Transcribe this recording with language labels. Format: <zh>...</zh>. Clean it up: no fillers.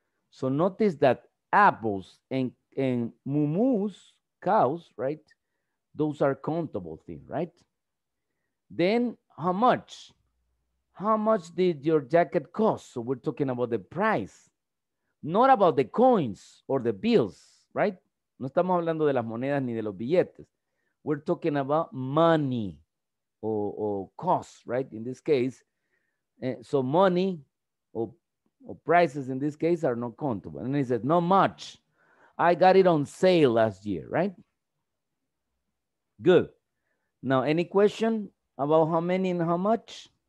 <en>So notice that apples and mumus, cows, right? Those are countable things, right? Then how much? How much did your jacket cost? So we're talking about the price, not about the coins or the bills, right?</en> <es>No estamos hablando de las monedas ni de los billetes.</es> <en>We're talking about money or cost, right? In this case, so money or prices in this case are not countable. And he said, not much. I got it on sale last year, right? Good. Now, any question about how many and how much?</en>